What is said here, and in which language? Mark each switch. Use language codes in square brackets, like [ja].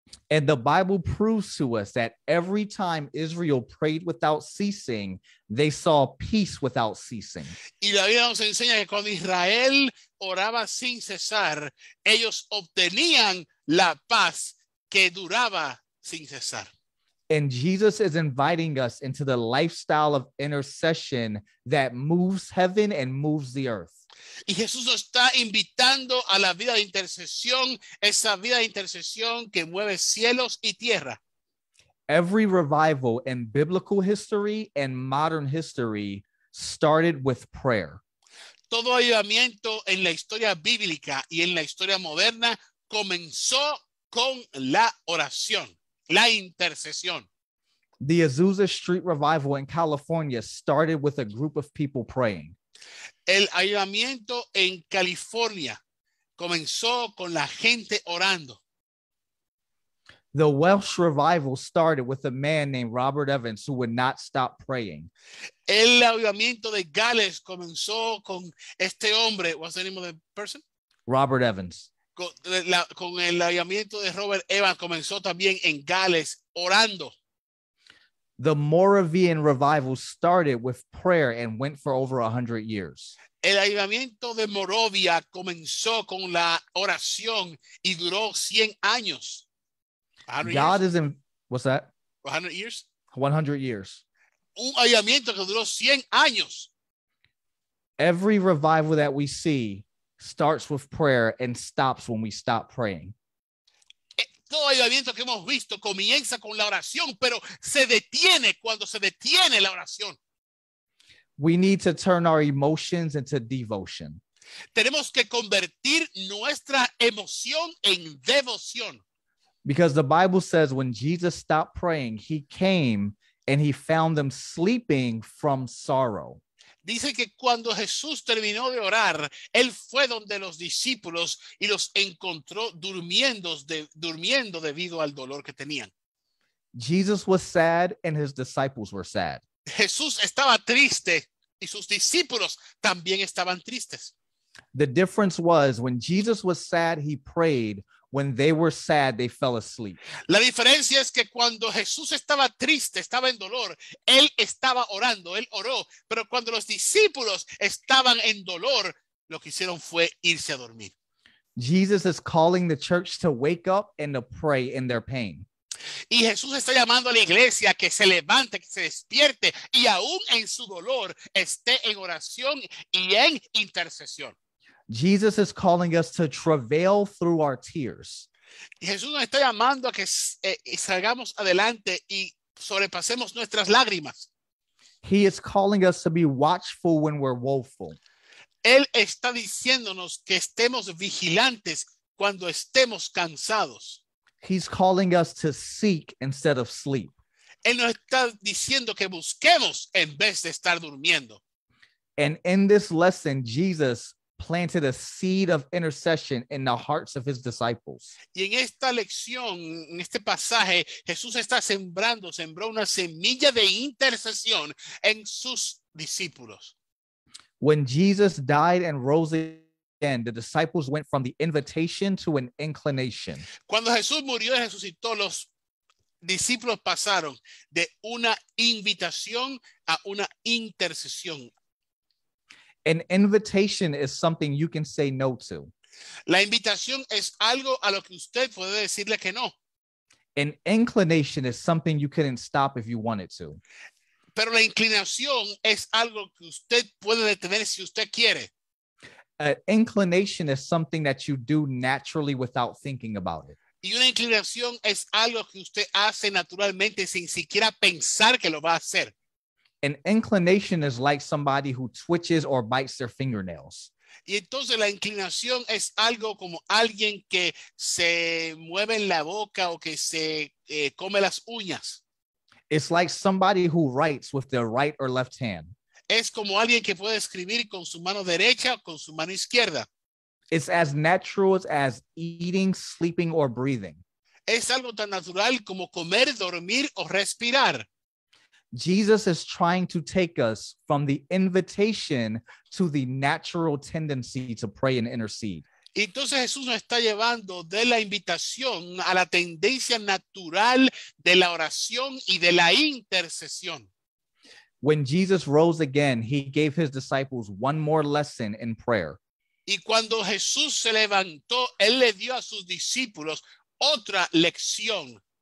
[en] And the Bible proves to us that every time Israel prayed without ceasing, they saw peace without ceasing. [es] Y la Biblia nos enseña que cuando Israel oraba sin cesar, ellos obtenían la paz que duraba sin cesar. [en] And Jesus is inviting us into the lifestyle of intercession that moves heaven and moves the earth. [es] Y Jesús nos está invitando a la vida de intercesión, esa vida de intercesión que mueve cielos y tierra. [en] Every revival in biblical history and modern history started with prayer. [es] Todo avivamiento en la historia bíblica y en la historia moderna comenzó con la oración. La intercesión. [en] The Azusa Street Revival in California started with a group of people praying. [es] El ayudamiento en California comenzó con la gente orando. [en] The Welsh Revival started with a man named Robert Evans who would not stop praying. [es] El ayudamiento de Gales comenzó con este hombre. [en] What's the name of the person? Robert Evans. [es] Con el ayudamiento de Robert Evans comenzó también en Gales orando. [en] The Moravian Revival started with prayer and went for over 100 years. [es] El ayudamiento de Moravia comenzó con la oración y duró 100 años. [en] What's that? 100 years? 100 years. [es] Un ayudamiento que duró 100 años. [en] Every revival that we see starts with prayer and stops when we stop praying. [es] Todo ayudamiento que hemos visto comienza con la oración, pero se detiene cuando se detiene la oración. [en] We need to turn our emotions into devotion. [es] Tenemos que convertir nuestra emoción en devoción. [en] Because the Bible says when Jesus stopped praying, he came and he found them sleeping from sorrow. [es] Dice que cuando Jesús terminó de orar, él fue donde los discípulos y los encontró durmiendo debido al dolor que tenían. [en] Jesus was sad and his disciples were sad. [es] Jesús estaba triste y sus discípulos también estaban tristes. [en] The difference was when Jesus was sad, he prayed. When they were sad, they fell asleep. [es] La diferencia es que cuando Jesús estaba triste, estaba en dolor, él estaba orando, él oró. Pero cuando los discípulos estaban en dolor, lo que hicieron fue irse a dormir. [en] Jesus is calling the church to wake up and to pray in their pain. [es] Y Jesús está llamando a la iglesia que se levante, que se despierte y aún en su dolor esté en oración y en intercesión. [en] Jesus is calling us to travail through our tears. [es] Jesús nos está llamando a que salgamos adelante y sobrepasemos nuestras lágrimas. [en] He is calling us to be watchful when we're woeful. [es] Él está diciéndonos que estemos vigilantes cuando estemos cansados. [en] He's calling us to seek instead of sleep. [es] Él nos está diciendo que busquemos en vez de estar durmiendo. [en] And in this lesson, Jesus planted a seed of intercession in the hearts of his disciples. [es] Y en esta lección, en este pasaje, Jesús está sembró una semilla de intercesión en sus discípulos. [en] When Jesus died and rose again, the disciples went from the invitation to an inclination. [es] Cuando Jesús murió y resucitó, los discípulos pasaron de una invitación a una intercesión. [en] An invitation is something you can say no to. [es] La invitación es algo a lo que usted puede decirle que no. [en] An inclination is something you couldn't stop if you wanted to. [es] Pero la inclinación es algo que usted puede detener si usted quiere. [en] An inclination is something that you do naturally without thinking about it. [es] Y una inclinación es algo que usted hace naturalmente sin siquiera pensar que lo va a hacer. [en] An inclination is like somebody who twitches or bites their fingernails. [es] Y entonces la inclinación es algo como alguien que se mueve en la boca o que se come las uñas. [en] It's like somebody who writes with their right or left hand. [es] Es como alguien que puede escribir con su mano derecha o con su mano izquierda. [en] It's as natural as eating, sleeping, or breathing. [es] Es algo tan natural como comer, dormir o respirar. [en] Jesus is trying to take us from the invitation to the natural tendency to pray and intercede. [es] Entonces Jesús nos está llevando de la invitación a la tendencia natural de la oración y de la intercesión. [en] When Jesus rose again, he gave his disciples one more lesson in prayer. [es] Y cuando Jesús se levantó, él le dio a sus discípulos otra lección.